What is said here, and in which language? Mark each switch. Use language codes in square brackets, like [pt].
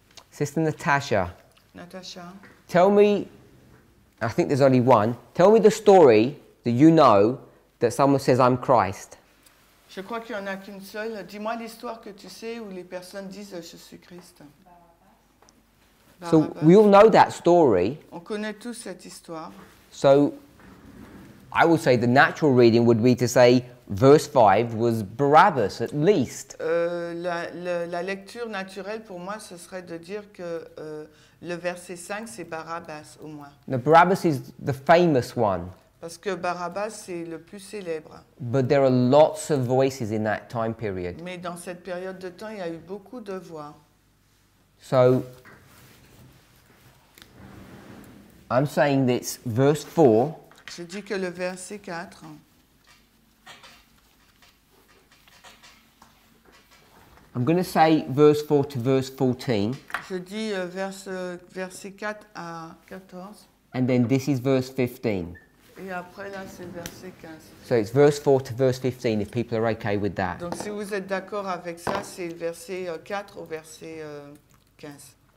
[en] Sister Natasha. Natasha. Tell me, I think there's only one. Tell me the story that you know that someone says I'm Christ. [fr] Je crois qu'il y en a qu'une seule. Dis-moi l'histoire que tu sais où les personnes disent je suis Christ. [en] So we all know that story. [fr] On connaît tous cette histoire. [en] So I would say the natural reading would be to say verse 5 was Barabbas at least. [fr] La lecture naturelle pour moi ce serait de dire que le verset 5 c'est Barabbas au moins. [en] Now, Barabbas is the famous one. [fr] Parce que Barabbas c'est le plus célèbre. [en] But there are lots of voices in that time period. [fr] Mais dans cette période de temps il y a eu beaucoup de voix. [en] So I'm saying that it's verse 4. [fr] Je dis que le verset 4. [en] I'm going to say verse 4 to verse 14. [fr] Je dis verset 4 à 14. [en] And then this is verse 15. [fr] Et après là c'est verset 15. [en] So it's verse 4 to verse 15 if people are okay with that. [fr] Donc si vous êtes d'accord avec ça, c'est verset 4 au verset 15.